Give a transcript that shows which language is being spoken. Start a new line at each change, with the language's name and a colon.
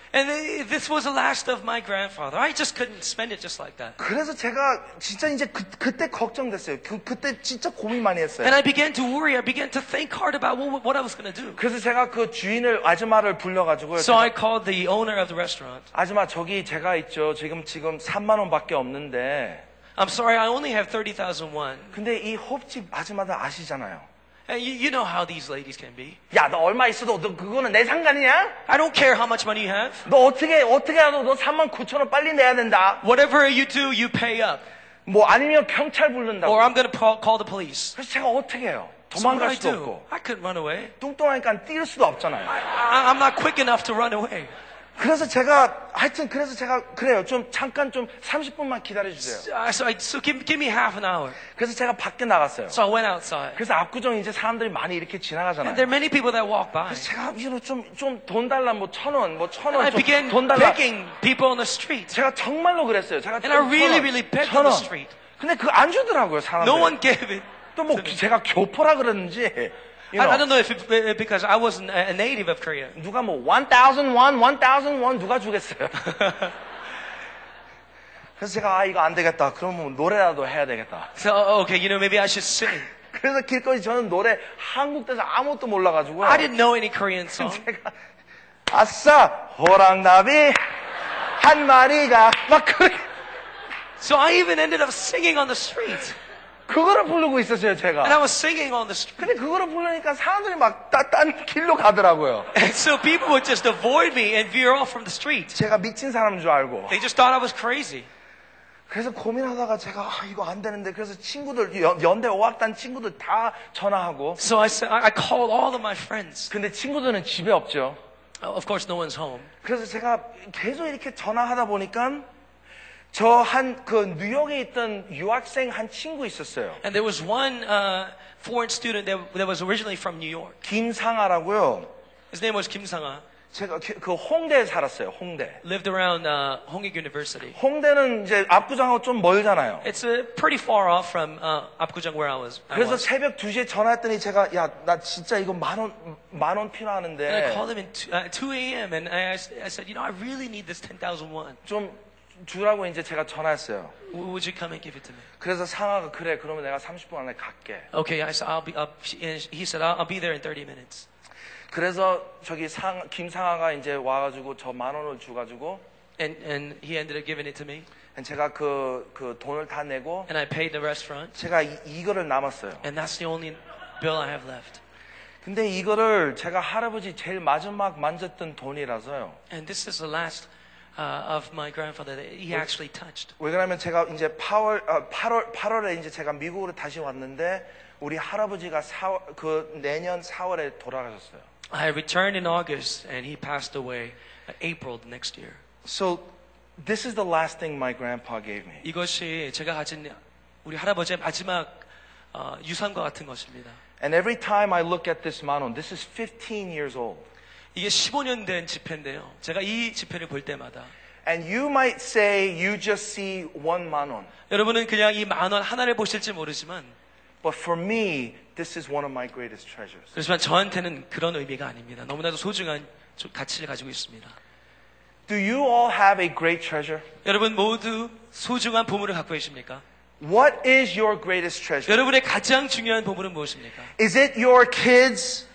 English: And this was the last of my grandfather. I just couldn't spend it just like that.
Korean: 그래서 제가 진짜 이제 그때 걱정됐어요. 그때 진짜 고민 많이 했어요.
English: And I began to worry. I began to think hard about what I was going to do.
Korean: 그래서 제가 그 주인을 아줌마를 불러가지고요.
English: So I called the owner of the restaurant.
Korean: 아줌마 저기 제가 있죠. 지금 3만 원밖에 없는데.
English: I'm sorry. I only have 30,000 won.
Korean: 근데 이 호프집 아줌마들 아시잖아요.
English: And you know how these ladies can be.
Korean: 야, 너 얼마 있어도 너 그거는 내 상관이야?
English: I don't care how much money you have.
Korean: 너 어떻게 하도 너 3만 9천 원 빨리 내야 된다.
English: Whatever you do, you pay up.
Korean: 뭐 아니면 경찰 부른다고.
English: Or I'm going to call the police.
Korean: 그래서 제가 어떻게 해요? 도망갈 수도 없고.
English: I couldn't run away.
Korean: 뚱뚱하니까 뛸 수도 없잖아요.
English: I'm not quick enough to run away.
Korean: 그래서 제가 하여튼 그래서 제가 그래요. 좀 잠깐 좀 30분만 기다려 주세요.
English: So give me half an hour.
Korean: 그래서 제가 밖에 나갔어요.
English: So I went outside.
Korean: 그래서 압구정 이제 사람들이 많이 이렇게 지나가잖아요.
English: And there are many people that walk by.
Korean: 그래서 제가 이거 좀 돈 달라 뭐 천 원 좀 돈 달라.
English: And I began begging people on the street.
Korean: 제가 정말로 그랬어요. 제가
English: And I really begged on the street.
Korean: 근데 그 안 주더라고요, 사람들.
English: No one gave it.
Korean: 또 뭐 제가 교포라 그랬는지
English: You know, I don't know if it, because I wasn't a native of Korea.
Korean: 누가 뭐 1,001 누가 주겠어요? 그래서 제가 아 이거 안 되겠다. 그러면 노래라도 해야 되겠다.
English: So okay, you know maybe I should sing.
Korean: 그래서 길거리 저는 노래 한국 대사 아무것도 몰라가지고.
English: I didn't know any Korean song.
Korean: 제가 아싸 호랑나비 한 마리가 막 그래.
English: So I even ended up singing on the street.
Korean: 그거를 부르고 있었어요, 제가.
English: And I was singing on the street.
Korean: 근데 그거를 부르니까 사람들이 막 딴 길로 가더라고요.
English: And so people would just avoid me and veer off from the street.
Korean: 제가 미친 사람인 줄 알고.
English: They just thought I was crazy.
Korean: 그래서 고민하다가 제가 아, 이거 안 되는데 그래서 친구들 연대 어학단 친구들 다 전화하고.
English: So I called all of my friends.
Korean: 근데 친구들은 집에 없죠.
English: Of course no one's home.
Korean: 그래서 제가 계속 이렇게 전화하다 보니까 저 한 그 뉴욕에 있던 유학생 한 친구 있었어요.
English: And there was one foreign student that was originally from New York.
Korean: 김상아라고요.
English: His name was 김상아.
Korean: 제가 그 홍대에 살았어요. 홍대.
English: Lived around Hongik University.
Korean: 홍대는 이제 압구정하고 좀 멀잖아요.
English: It's pretty far off from 압구정 where I was.
Korean: 그래서 새벽 2시에 전화했더니 제가 야, 나 진짜 이거 만 원 필요하는데.
English: And I called him at 2 a.m. and I said, you know, I really need this 10,000 won.
Korean: 좀 주라고 이제 제가 전화했어요.
English: Would you come and give it to me?
Korean: 그래서 상아가 그래. 그러면 내가 30분 안에 갈게.
English: Okay, I said I'll be there in 30 minutes.
Korean: 그래서 저기 김상아가 이제 와가지고 저 만 원을 주가지고.
English: And he ended up giving it to me. And
Korean: 제가 그 돈을 다 내고.
English: And I paid the restaurant.
Korean: 제가 이거를 남았어요.
English: And that's the only bill I have left.
Korean: 근데 이거를 제가 할아버지 제일 마지막 만졌던 돈이라서요.
English: And this is the last. Of my grandfather that he actually touched.
Korean: 왜냐면 제가 이제 8월에 이제 제가 미국으로 다시 왔는데 우리 할아버지가 그 내년 4월에 돌아가셨어요.
English: I returned in August and he passed away April the next year. So this is the last thing my grandpa gave me.
Korean: 이것이 제가 가진 우리 할아버지의 마지막 유산과 같은 것입니다.
English: And every time I look at this manon, this is 15 years old.
Korean: 이게 15년 된 지폐인데요. 제가 이 지폐를 볼 때마다
English: And you might say you just see 1만 원.
Korean: 여러분은 그냥 이 만원 하나를 보실지 모르지만
English: But for me, this is one of my greatest treasures.
Korean: 그렇지만 저한테는 그런 의미가 아닙니다. 너무나도 소중한 가치를 가지고 있습니다.
English: Do you all have a great treasure?
Korean: 여러분 모두 소중한 보물을 갖고 계십니까?
English: What is your greatest treasure?
Korean: 여러분의 가장 중요한 보물은 무엇입니까?
English: Is it your kids?